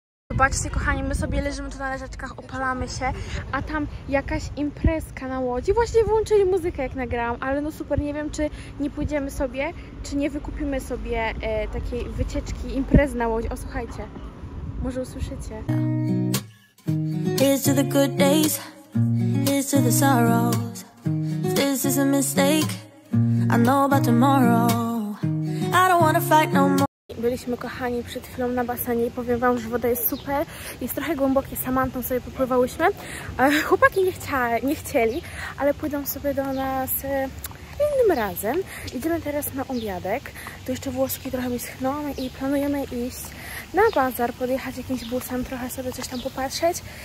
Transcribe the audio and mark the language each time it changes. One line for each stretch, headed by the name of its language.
Polish: Zobaczcie, kochani, my sobie leżymy tu na leżaczkach, opalamy się, a tam jakaś imprezka na łodzi. Właśnie włączyli muzykę, jak nagrałam, ale no super, nie wiem, czy nie pójdziemy sobie, czy nie wykupimy sobie takiej wycieczki, imprezy na łodzi. O, słuchajcie, może usłyszycie.
English: Here's to the good days, here's to the sorrows. If this is a mistake, I know about tomorrow. I don't wanna fight no more.
Polish: Byliśmy, kochani, przed chwilą na basenie i powiem wam, że woda jest super. Jest trochę głębokie, Samantą sobie popływałyśmy. Chłopaki nie chcieli, ale pójdą sobie do nas innym razem. Idziemy teraz na obiadek. Tu jeszcze włoski trochę mi schną i planujemy iść na bazar, podjechać jakimś busem, trochę sobie coś tam popatrzeć.